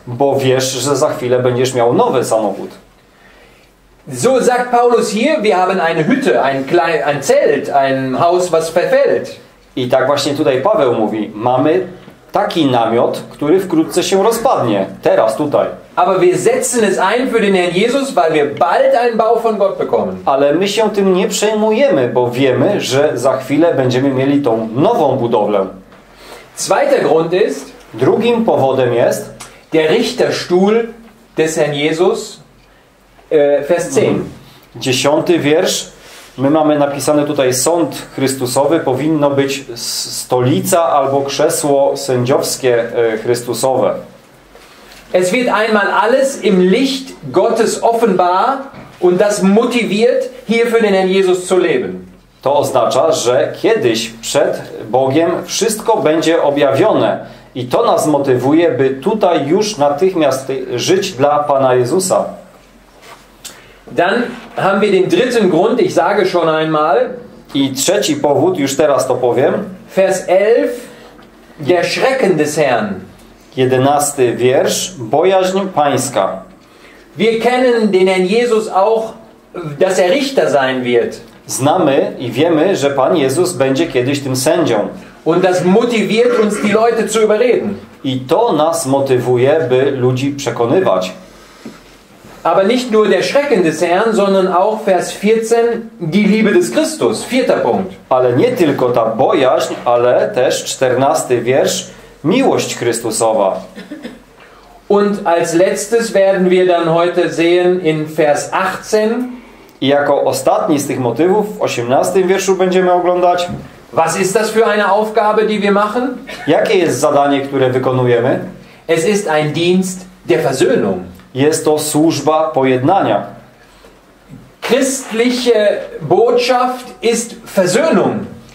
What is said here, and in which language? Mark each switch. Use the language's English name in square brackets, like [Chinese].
[Polish] Bo wiesz, że za chwilę będziesz miał nowy samochód. [German] So sagt Paulus hier, wir haben eine Hütte, ein Zelt, ein Haus, was verfällt. [Polish] I tak właśnie tutaj Paweł mówi, mamy taki namiot, który wkrótce się rozpadnie. Teraz, tutaj. [German] Aber wir setzen es ein für den Herrn Jesus, weil wir bald einen Bau von Gott bekommen. [Polish] Ale my się tym nie przejmujemy, bo wiemy, że za chwilę będziemy mieli tą nową budowlę. [German] Zweiter Grund ist, [Polish] drugim powodem jest, [German] der Richterstuhl des Herrn Jesus, Vers 10. [Polish] 10. wiersz. My mamy napisane tutaj sąd Chrystusowy, powinno być stolica albo krzesło sędziowskie Chrystusowe. [German] Es wird einmal alles im Licht Gottes offenbar und das motiviert hier für den Herrn Jesus zu leben. [Polish] To oznacza, że kiedyś przed Bogiem wszystko będzie objawione i to nas motywuje, by tutaj już natychmiast żyć dla Pana Jezusa. [German] Dann haben wir den dritten Grund, ich sage schon einmal. [Polish] I trzeci powód, już teraz to powiem. [German] Vers 11, der Schrecken des Herrn. [Polish] 11. wiersz, bojaźń Pańska. [German] Wir kennen den Herrn Jesus auch, dass er Richter sein wird. [Polish] Znamy i wiemy, że Pan Jezus będzie kiedyś tym sędzią. [German] Und das motiviert uns, die Leute zu überreden. [Polish] I to nas motywuje, by ludzi przekonywać. [German] Aber nicht nur der Schrecken des Herrn, sondern auch Vers 14, die Liebe des Christus. Vierter Punkt. [Polish] Ale nie tylko ta bojaźń, ale też 14. wiersz, miłość Chrystusowa. [German] Und als letztes werden wir dann heute sehen in Vers 18. [Polish] I jako ostatni z tych motywów w 18. wierszu będziemy oglądać. [German] Was ist das für eine Aufgabe, die wir machen? [Polish] Jakie jest zadanie, które wykonujemy? [German] Es ist ein Dienst der Versöhnung. [Polish] Jest to służba pojednania. [German] Christliche Botschaft ist Versöhnung.